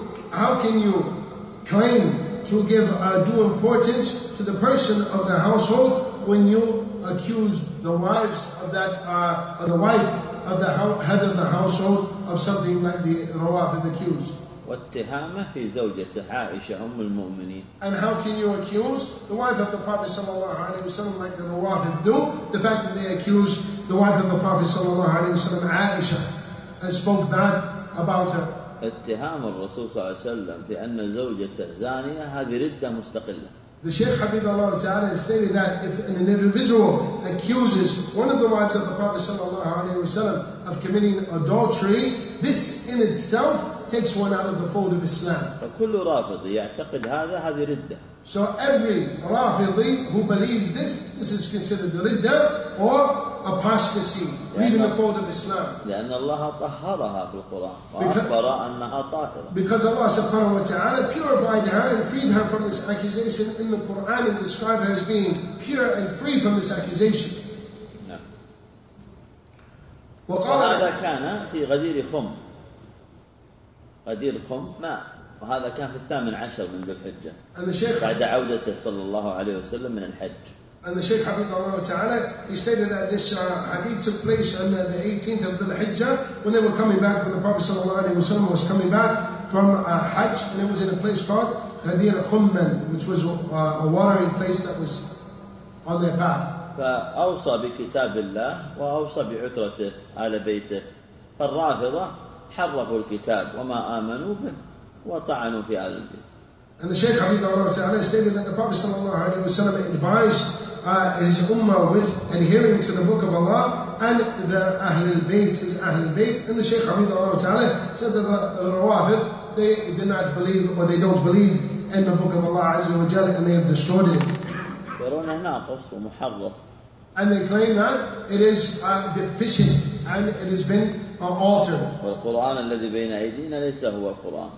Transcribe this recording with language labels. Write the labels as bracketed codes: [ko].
[en] How can you claim to give due importance to the person of the household when you accuse the wives of that or the wife of the head of the household of something like the rawafid accused? [ar] واتهامه في زوجة عائشة أم المؤمنين. [en] And how can you accuse the wife of the Prophet [ar] صلى الله عليه وسلم [en] like the rawafid do? The fact that they accuse the wife of the Prophet [ar] صلى الله عليه وسلم [en] عائشة and spoke bad about her. [ar] اتهام الرسول صلى الله عليه وسلم في أن زوجته زانية هذه ردة مستقلة. [en] The Shaykh [ar] حفظه الله تعالى [en] stated that if an individual accuses one of the wives of the Prophet [ar] صلى الله عليه وسلم [en] of committing adultery, this in itself takes one out of the fold of Islam. [ar] فكل رافض يعتقد هذا هذه ردة. [en] So every رافضي who believes this is considered the ردة or apostasy, leaving the fold of Islam. [ar] لأن الله طهرها في القرآن وأخبر أنها طاهرة. [en] Because Allah subhanahu wa ta'ala purified her and freed her from this accusation in the Quran and described her as being pure and free from this accusation. [ar] وقال هذا كان في غدير خم. غدير خم ماء. وهذا كان في 18 من ذي الحجة. بعد عودته صلى الله عليه وسلم من الحج. [en] And the Shaykh [ar] حفظه الله تعالى, [en] he stated that this hadith took place on the 18th of Dhul Hijjah when they were coming back, when the Prophet [ar] صلى الله عليه وسلم [en] was coming back from Hajj, and it was in a place called Ghadir Khumman, which was a watery place that was on their path. [ar] فأوصى بكتاب الله وأوصى بعترته آل بيته. فالرافضة حرفوا الكتاب وما آمنوا به وطعنوا في آل البيت. [en] And the Shaykh [ar] حفظه الله تعالى [en] stated that the Prophet [ar] صلى الله عليه وسلم [en] advised his ummah with adhering to the Book of Allah and the Ahl al-Bayt, his Ahl al-Bayt. And the Shaykh [ar] حفظه الله تعالى [en] said that the Rawafid, they did not believe or they don't believe in the Book of Allah [ar] عزيز وجل, [en] and they have destroyed it. [ar] يرونه ناقص ومحرف. [en] And they claim that it is deficient and it has been altered. [ar] والقرآن الذي بين أيدينا ليس هو القرآن.